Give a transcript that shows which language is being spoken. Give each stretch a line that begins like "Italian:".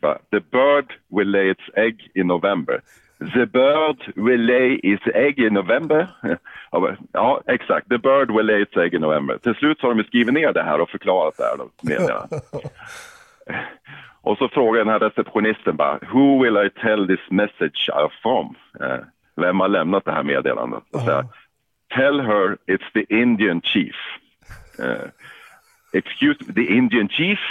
English: But the bird will lay its egg in November. The bird will lay its egg in November.
Swedish: Ja, exakt.
English: The bird will lay its egg in November.
Swedish: Till slut har de skrivit ner det här och förklarat det här. Och så frågar den här receptionisten bara,
English: who will I tell this message from?
Swedish: Vem har lämnat det här meddelandet? Och så här,
English: tell her it's the Indian chief. Excuse me, the Indian chief?